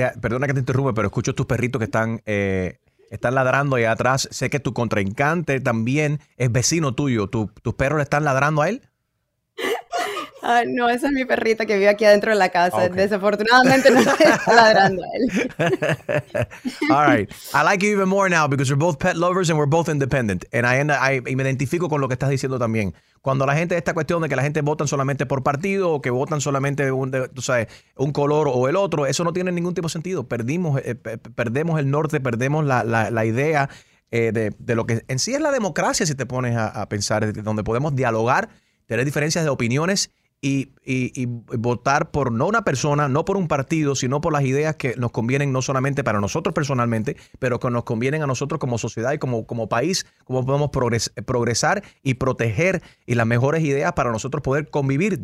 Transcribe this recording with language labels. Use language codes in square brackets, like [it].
[es] Perdona que te interrumpa, pero escucho a tus perritos que están ladrando allá atrás. Sé que tu contrincante también es vecino tuyo. ¿Tus perros le están ladrando a él? No, esa es mi perrita que vive aquí adentro de la casa. Okay. Desafortunadamente no está ladrando a él. [en] All right. I like you even more now because we're both pet lovers and we're both independent. [es] Y me identifico con lo que estás diciendo también. Cuando la gente, esta cuestión de que la gente votan solamente por partido o que votan solamente un color o el otro, eso no tiene ningún tipo de sentido. Perdemos el norte, perdemos la idea de lo que en sí es la democracia, si te pones a pensar, donde podemos dialogar, tener diferencias de opiniones y votar por no una persona, no por un partido, sino por las ideas que nos convienen no solamente para nosotros personalmente, pero que nos convienen a nosotros como sociedad y como país, cómo podemos progresar y proteger y las mejores ideas para nosotros poder convivir.